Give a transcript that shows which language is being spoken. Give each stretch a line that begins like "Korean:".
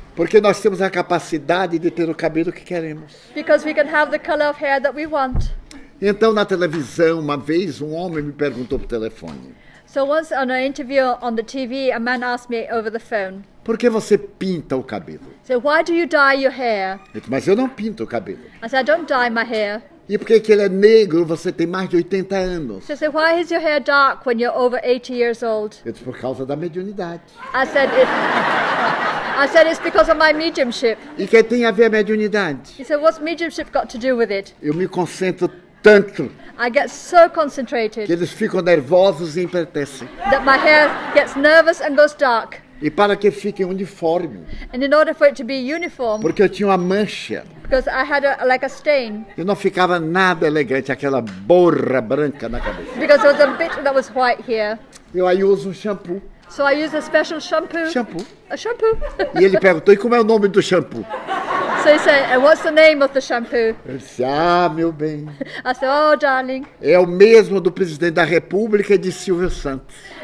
Portuguese: Porque nós temos a capacidade de ter o cabelo que queremos.
English: Because we can have the color of hair that we want.
Portuguese: Então na televisão uma vez um homem me perguntou por telefone.
English: So once on an interview on the TV, a man asked me over the phone.
Portuguese: Por que você pinta o cabelo?
English: So why do you dye your hair?
Portuguese: Mas eu não pinto o cabelo.
English: I said, I don't dye my hair.
Portuguese: E por que que ele é negro? Você tem mais de 80 anos.
English: So I said, why is your hair dark when you're over 80 years old? It's
Portuguese: por causa da mediunidade.
English: I said, it's because of my mediumship.
Portuguese: E que tem a ver a mediunidade?
English: He said, what's mediumship got to do with it?
Portuguese: Eu me concentro tanto.
English: I get so concentrated.
Portuguese: Que eles ficam nervosos e empretecem.
English: That my hair gets nervous and goes dark.
Portuguese: E para que fique uniforme.
English: And in order for it to be uniform.
Portuguese: Porque eu tinha uma mancha.
English: Because I had a stain.
Portuguese: E não ficava nada elegante aquela borra branca na cabeça.
English: Because there was a bit that was white here.
Portuguese: Eu aí uso um shampoo.
English: So I use a special shampoo.
Portuguese: Shampoo.
English: A shampoo.
Portuguese: E ele perguntou, e como é o nome do shampoo?
English: So he said, and what's the name of the shampoo?
Portuguese: Eu disse, ah, meu bem.
English: I said, oh, darling.
Portuguese: É o mesmo do presidente da República e de Silvio Santos.